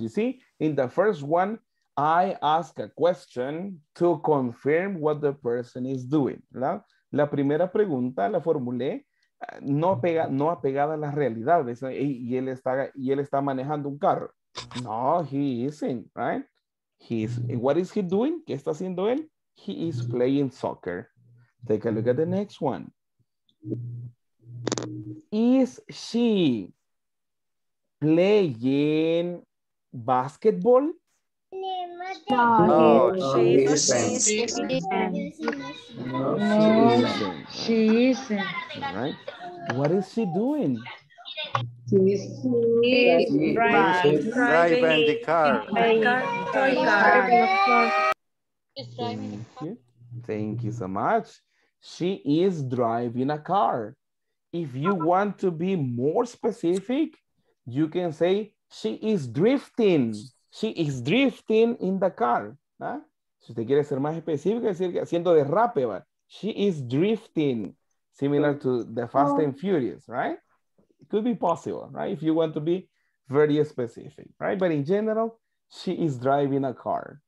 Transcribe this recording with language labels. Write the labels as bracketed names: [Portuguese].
[English] You see, in the first one, I ask a question to confirm what the person is doing. [Spanish] ¿Verdad? La primera pregunta la formulé no apegada a la realidad. Y él está manejando un carro. [English] No, he isn't, right? What is he doing? [Spanish] ¿Qué está haciendo él? [English] He is playing soccer. Take a look at the next one. Is she playing basketball? No, she isn't. All right. What is she doing? She's driving the car. Thank you so much. She is driving a car. If you want to be more specific, you can say she is drifting. She is drifting in the car. ¿Ah? [Spanish] Si usted quiere ser más específico, decir que haciendo derrape, ¿va? [English] She is drifting, similar to the Fast and Furious, right? It could be possible, right? If you want to be very specific, right? But in general, she is driving a car.